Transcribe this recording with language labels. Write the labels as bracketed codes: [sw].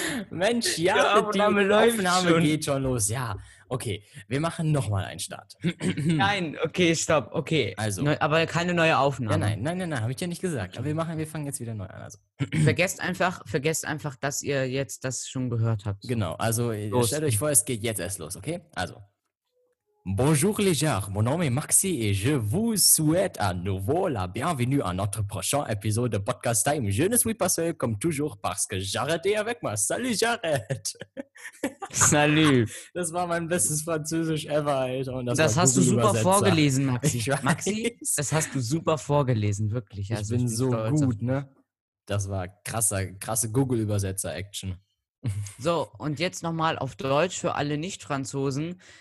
[de] Mensch, ja, die Aufnahme geht schon los. Ja, okay, wir machen nochmal einen Start. Nein, okay, stopp, okay. Also, aber keine neue Aufnahme. Ja, nein, habe ich ja nicht gesagt. Aber wir fangen jetzt wieder neu an. Also. Vergesst einfach, dass ihr jetzt das schon gehört habt. Genau, also los. Stellt euch vor, es geht jetzt erst los, okay? Also. [fr] Bonjour les gens, mon nom est Maxi et je vous souhaite à nouveau la bienvenue à notre prochain épisode de Podcast Time. Je ne suis pas seul comme toujours parce que Jared est avec moi. Salut Jared! Salut! [de] Das war mein bestes Französisch ever, Alter. Und das hast du super vorgelesen, Maxi. Maxi, das hast du super vorgelesen, wirklich. Also ich bin so gut, ne? Das war krasse Google-Übersetzer-Action. So, und jetzt nochmal auf Deutsch für alle Nicht-Franzosen.